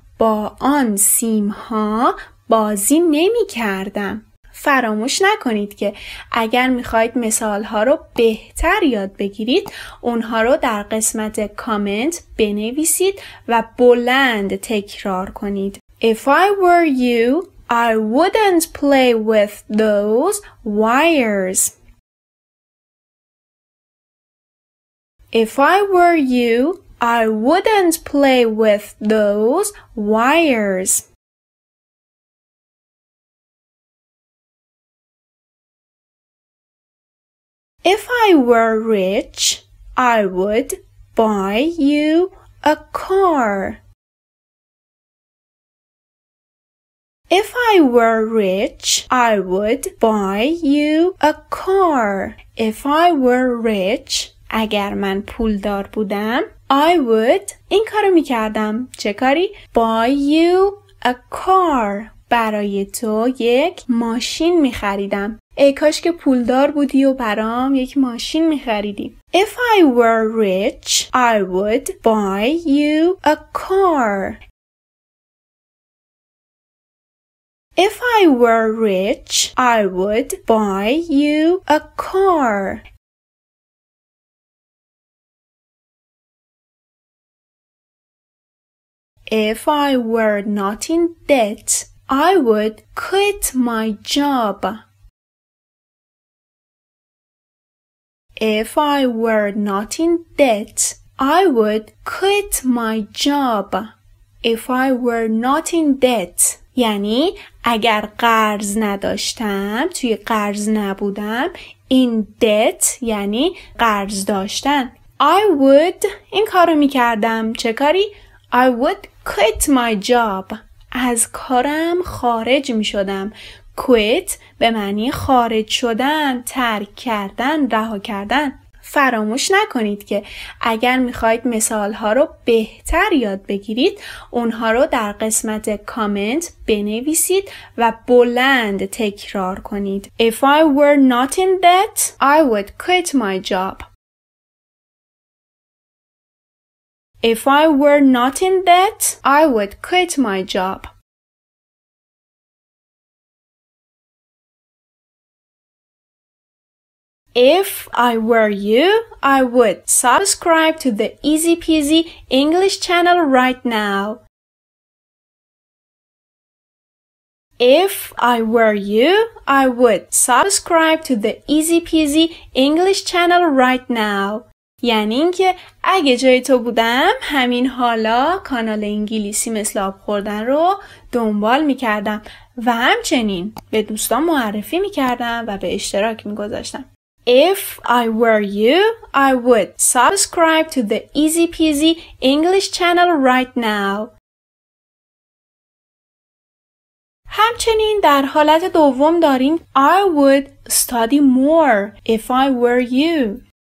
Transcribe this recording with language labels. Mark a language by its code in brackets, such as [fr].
[fa] با آن سیم ها بازی نمی کردم. فراموش نکنید که اگر می خواید مثال ها رو بهتر یاد بگیرید، اونها رو در قسمت کامنت بنویسید و بلند تکرار کنید. [en] If I were you, I wouldn't play with those wires. If I were you, I wouldn't play with those wires. If I were rich, I would buy you a car. If I were rich, I would buy you a car. If I were rich, [fa] اگر من پول دار بودم, [en] I would, [fa] این کارو میکردم. چه کاری؟ [en] Buy you a car. [fa] برای تو یک ماشین میخریدم. ای کاش که پول دار بودی و برام یک ماشین میخریدی. [en] If I were rich, I would buy you a car. If I were rich, I would buy you a car. If I were not in debt, I would quit my job. If I were not in debt, I would quit my job. If I were not in debt, [fa] یعنی اگر قرض نداشتم, توی قرض نبودم, [en] in debt [fa] یعنی قرض داشتن. [en] I would, [fa] این کارو میکردم. چه کاری؟ [en] I would quit my job. [fa] از کارم خارج میشدم. Quit به معنی خارج شدن, ترک کردن, رها کردن. فراموش نکنید که اگر میخواید مثالها رو بهتر یاد بگیرید, اونها رو در قسمت کامنت بنویسید و بلند تکرار کنید. [en] If I were not in debt, I would quit my job. If I were not in debt, I would quit my job. If I were you, I would subscribe to the Easy Peasy English channel right now. If I were you, I would subscribe to the Easy Peasy English channel right now. [fa] یعنی اینکه اگه جای تو بودم همین حالا کانال انگلیسی مثل آب خوردن رو دنبال می‌کردم و همچنین به دوستان معرفی می‌کردم و به اشتراک می‌گذاشتم. [en] If I were you, I would subscribe to the Easy Peasy English channel right now. [fa] همچنین در حالت دوم داریم [en] I would study more if I were you.